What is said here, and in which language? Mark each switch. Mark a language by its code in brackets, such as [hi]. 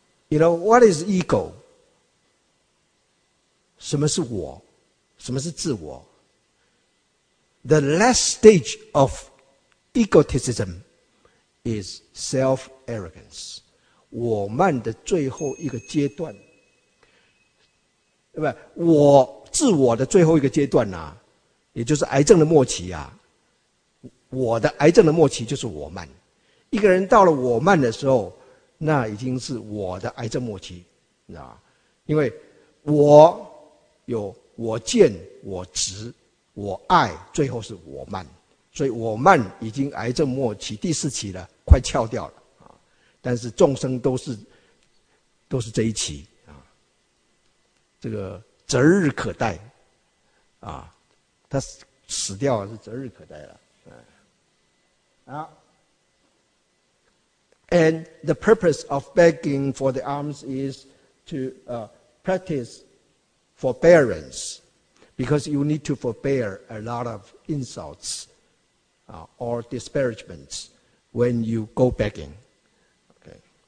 [en] You know, what is ego? [zh] 什么是我?什么是自我? [en] The last stage of egotism is self-arrogance. [zh] 我慢的最后一个阶段, 我自我的最后一个阶段啊, 也就是癌症的末期啊, 我的癌症的末期就是我慢。一个人到了我慢的时候, 那已经是我的癌症末期, 你知道吗? 因为我有我见, 我执, 我爱, 最后是我慢, 所以我慢已经癌症末期, 第四期了, 快翘掉了, 但是众生都是这一期, 这个择日可待, 他死掉了是择日可待了。 [en] And the purpose of begging for the alms is to practice forbearance, because you need to forbear a lot of insults or disparagements when you go begging. Okay.